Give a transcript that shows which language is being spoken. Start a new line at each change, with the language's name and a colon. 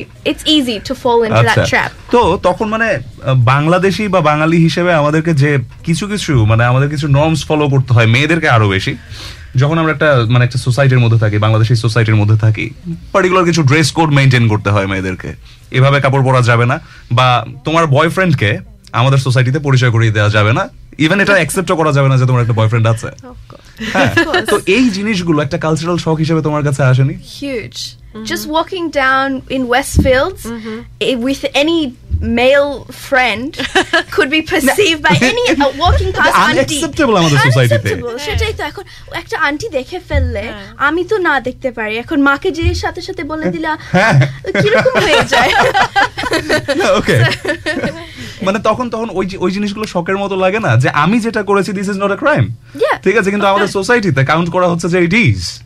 English: It's easy to fall into that trap.
Bangla: তো তখন মানে বাংলাদেশী বা বাঙালি হিসেবে আমাদেরকে যে কিছু কিছু মানে আমাদের কিছু নর্মস ফলো করতে হয় মেয়েদেরকে আরো বেশি, যখন আমরা একটা মানে একটা সোসাইটির মধ্যে থাকি, বাংলাদেশি সোসাইটির মধ্যে থাকি, পার্টিকুলার কিছু ড্রেস কোড মেইনটেইন করতে হয় মেয়েদেরকে, এভাবে কাপড় পরা যাবে না, বা তোমার বয়ফ্রেন্ডকে আমাদের সোসাইটিতে পরিচয় করিয়ে দেওয়া যাবে না, ইভেন এটা অ্যাকসেপ্ট করা যাবে না যে তোমার একটা বয়ফ্রেন্ড আছে। তো এই জিনিসগুলো একটা কালচারাল শক হিসেবে তোমার কাছে আসেনি?
English: Huge, just walking down in Westfields with any male friend could be perceived by any walking past unacceptable auntie. Unacceptable.
Bangla: সেটাই তো, এখন একটা আন্টি দেখে ফেললে আমি তো না দেখতে পারি, এখন মাকে যে সাথে সাথে বলে দিলা কিরকম হয়ে যায়। ওকে, মানে তখন তখন ওই জিনিসগুলো শকের মতো লাগে না যে আমি যেটা করেছি
English: this is not a crime,
Bangla: ঠিক আছে, কিন্তু আমাদের সোসাইটিতে কাউন্ট করা হচ্ছে যে
English: It is.